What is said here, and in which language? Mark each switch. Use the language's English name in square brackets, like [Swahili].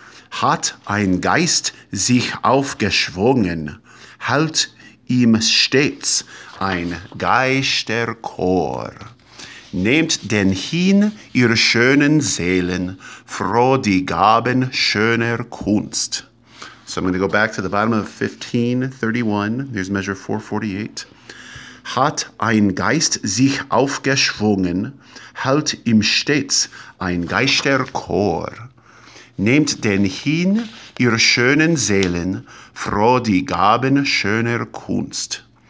[German] Hat ein Geist sich aufgeschwungen, hält ihm stets ein Geisterchor. Nehmt denn hin, ihr schönen Seelen, froh die Gaben schöner Kunst. [English] So I'm going to go back to the bottom of 1531. Here's measure 448. [German] Hat ein Geist sich aufgeschwungen, hält ihm stets ein Geisterchor. Nehmt denn hin, ihr schönen Seelen, froh die Gaben schöner Kunst.